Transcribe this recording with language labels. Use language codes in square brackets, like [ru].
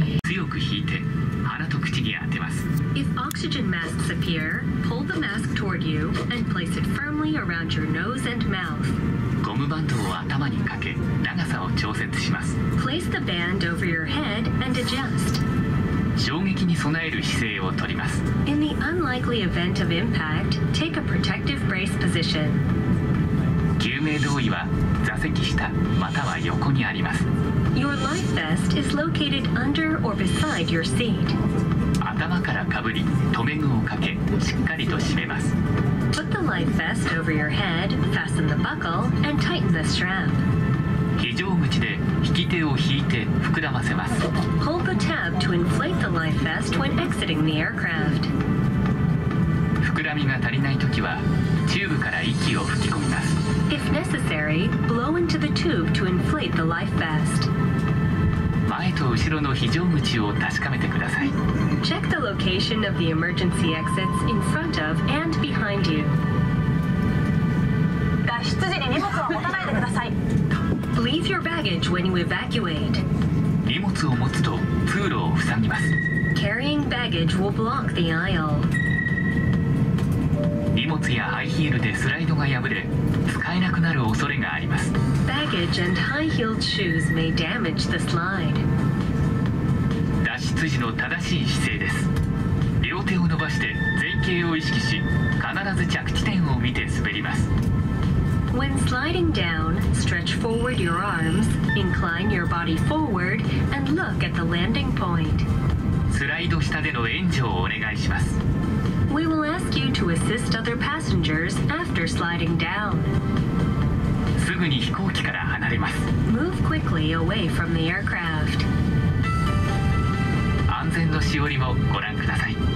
[ja] 強く引いて、鼻と口に当てます。 [en] If oxygen masks appear, pull the mask toward you and place it firmly around your nose and mouth. [ja] ゴムバンドを頭にかけ、長さを調節します。 [en] Place the band over your head and adjust. [ja] 衝撃に備える姿勢をとります。 [en] In the unlikely event of impact, take a protective brace position. [ja] 救命胴衣は座席下または横にあります。 [en] Your life vest is located under or beside your seat. [ja] 頭からかぶり、留め具をかけ、しっかりと締めます。 [en] Put the life vest over your head, fasten the buckle, and tighten the strap. [ja] 非常口で引き手を引いて膨らませます。 [en] Hold the tab to inflate the life vest when exiting the aircraft. [ja] 膨らみが足りないときはチューブから息を吹き込みます。 [en] If necessary, blow into the tube to inflate the life vest. [ja] 前と後ろの非常口を確かめてください。 [en] Check the location of the emergency exits in front of and behind you. [ja] 脱出時に荷物を持たないでください。 [en] Leave your baggage when you evacuate. [ja] 荷物を持つと通路を塞ぎます。 [en] Carrying baggage will block the aisle. [ja] 荷物やハイヒールでスライドが破れ、使えなくなる恐れがあります。 [en] Baggage and high-heeled shoes may damage the slide. [ja] 脱出時の正しい姿勢です。両手を伸ばして前傾を意識し、必ず着地点を見て滑ります。 [en] When sliding down, stretch forward your arms, incline your body forward, and look at the landing point. [ja] スライド下での援助をお願いします。 [en] We will ask you to assist other passengers after sliding down. [ja] すぐぐに飛行機から離れます。 [en] Move quickly away from the aircraft. [ja] 安全のしおりもご覧ください。